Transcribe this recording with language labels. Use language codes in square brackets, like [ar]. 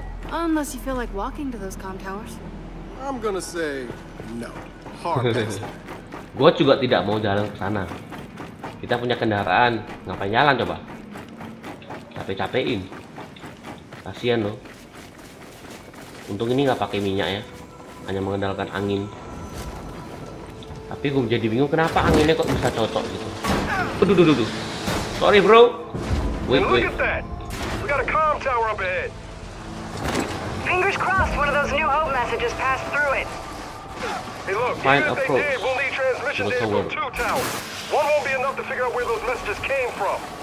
[en] Unless you feel like walking to those comm towers. I'm gonna say no. Hard. [id] Gua juga tidak mau jalan ke sana. Kita punya kendaraan, ngapain jalan coba? Capek-capekin. Kasian loh. Untung ini enggak pakai minyak ya. Hanya mengandalkan angin. Tapi gua jadi bingung kenapa anginnya kok bisa cocok gitu. [en] Aduh. Sorry, bro. Wait. Look at that! We got a comm tower up ahead. Fingers crossed one of those New Hope messages passed through it. Hey look, fine even if they did, we'll need transmission to two towers. One won't be enough to figure out where those messages came from.